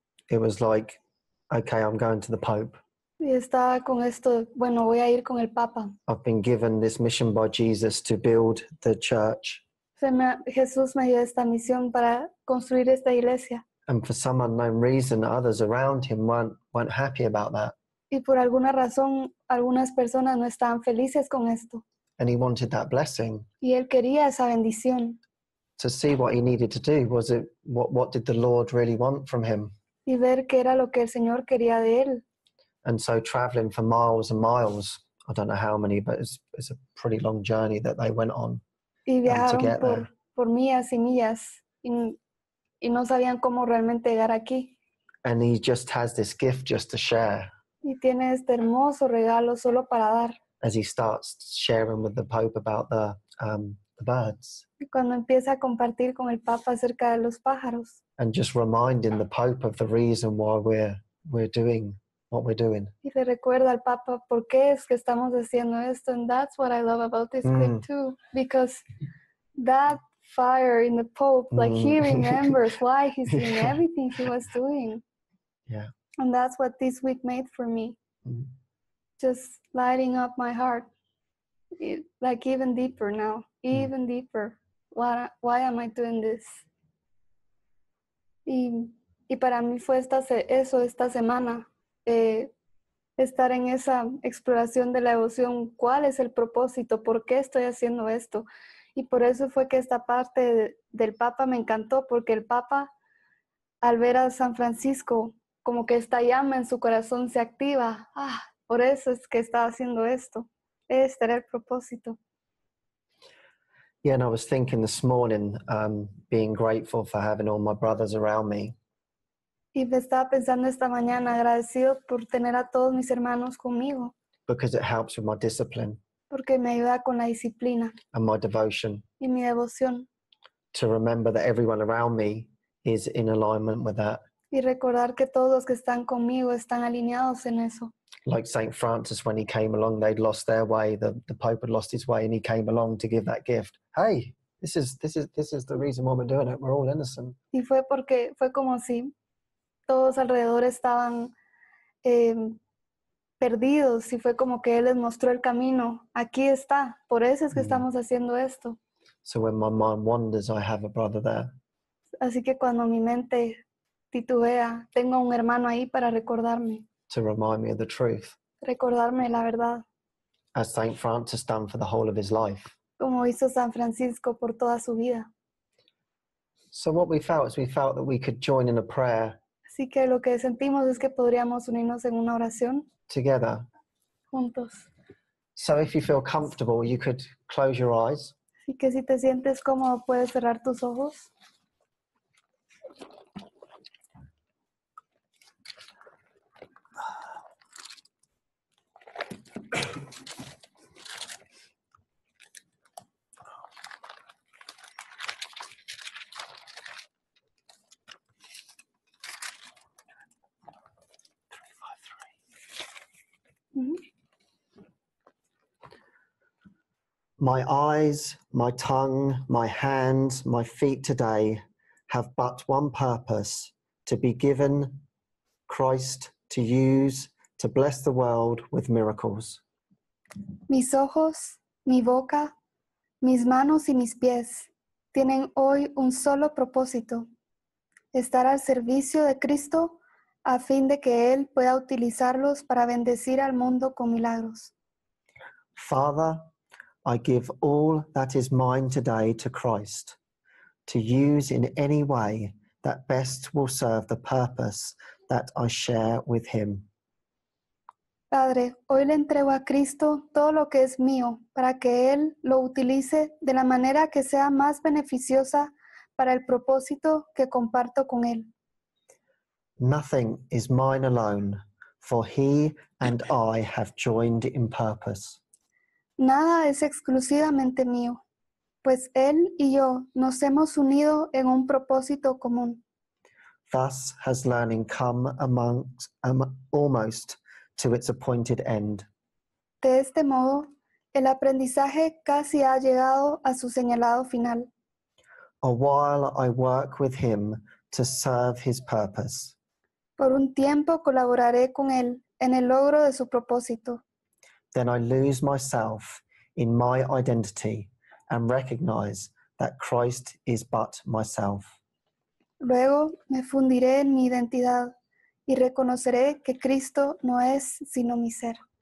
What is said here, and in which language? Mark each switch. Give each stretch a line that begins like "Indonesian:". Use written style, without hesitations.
English: It was like, okay, I'm going to the Pope.
Spanish: Y estaba con esto, bueno, voy a ir con el Papa.
English: I've been given this mission by Jesus to build the church.
Spanish: Jesús me dio esta misión para construir esta iglesia.
English: And for some unknown reason, others around him weren't happy about that.
Spanish: Y por alguna razón, algunas personas no estaban felices con esto.
English: And he wanted that blessing.
Spanish: Y él quería esa bendición.
English: To see what he needed to do, was it what did the Lord really want from him?
Spanish: Y ver qué era lo que el Señor quería de él.
English: And so traveling for miles and miles, I don't know how many, but it's a pretty long journey that they went on.
Spanish: Y viajaron por millas y millas y no sabían cómo realmente llegar aquí.
English: And he just has this gift just to share.
Spanish: Y tiene este hermoso regalo solo para dar.
English: As he starts sharing with the Pope about the birds.
Spanish: Cuando empieza a compartir con el Papa acerca de los pájaros.
English: And just reminding the Pope of the reason why we're doing what we're doing.
Spanish: Y le recuerda al Papa por qué es que estamos haciendo esto.
English: And that's what I love about this clip too. Because that fire in the Pope, like he remembers why he's doing everything he was doing. Yeah. And that's what this week made for me. Just lighting up my heart, like even deeper now, even deeper. Why am I doing this?
Spanish: Y para mí fue esta semana, estar en esa exploración de la devoción. ¿Cuál es el propósito? ¿Por qué estoy haciendo esto? Y por eso fue que esta parte del Papa me encantó, porque el Papa, al ver a San Francisco, como que esta llama en su corazón se activa. ¡Ah! Por eso es que estaba haciendo esto. Este era el propósito.
English: Yeah, and I was thinking this morning, being grateful for having all my brothers around me.
Spanish: Y me estaba pensando esta mañana, agradecido por tener a todos mis hermanos conmigo.
English: Because it helps with my discipline.
Spanish: Porque me ayuda con la disciplina.
English: And my devotion.
Spanish: Y mi devoción.
English: To remember that everyone around me is in alignment with that.
Spanish: Y recordar que todos los que están conmigo están alineados en eso.
English: Like Saint Francis, when he came along, they'd lost their way. The Pope had lost his way, and he came along to give that gift. Hey, this is the reason why we're doing it. We're all innocent.
Spanish: Y fue porque fue como si todos alrededor estaban perdidos. Y fue como que él les mostró el camino. Aquí está. Por eso es que estamos haciendo esto.
English: So when my mind wanders, I have a brother there.
Spanish: Así que cuando mi mente titubea, tengo un hermano ahí para recordarme.
English: To remind me of the truth.
Spanish: Recordarme la verdad.
English: As Saint Francis done for the whole of his life.
Spanish: Como hizo San Francisco por toda su vida.
English: So what we felt is we felt that we could join in a prayer.
Spanish: Así que lo que sentimos es que podríamos unirnos en una oración.
English: Together.
Spanish: Juntos.
English: So if you feel comfortable, you could close your eyes.
Spanish: Así que si te sientes cómodo, puedes cerrar tus ojos.
English: My eyes, my tongue, my hands, my feet today have but one purpose, to be given Christ to use to bless the world with miracles.
Spanish: Mis ojos, mi boca, mis manos y mis pies tienen hoy un solo propósito, estar al servicio de Cristo a fin de que Él pueda utilizarlos para bendecir al mundo con milagros.
English: Father, I give all that is mine today to Christ, to use in any way that best will serve the purpose that I share with Him.
Spanish: Padre, hoy le entrego a Cristo todo lo que es mío para que Él lo utilice de la manera que sea más beneficiosa para el propósito que comparto con Él.
English: Nothing is mine alone, for He and I have joined in purpose.
Spanish: Nada es exclusivamente mío, pues Él y yo nos hemos unido en un propósito común.
English: Thus has learning come almost to its appointed end.
Spanish: De este modo, el aprendizaje casi ha llegado a su señalado final.
English: A while I work with Him to serve His purpose.
Spanish: Por un tiempo colaboraré con Él en el logro de su propósito.
English: Then I lose myself in my identity and recognize that Christ is but myself.
Spanish: Luego me fundiré en mi identidad y reconoceré que Cristo no es sino mi ser.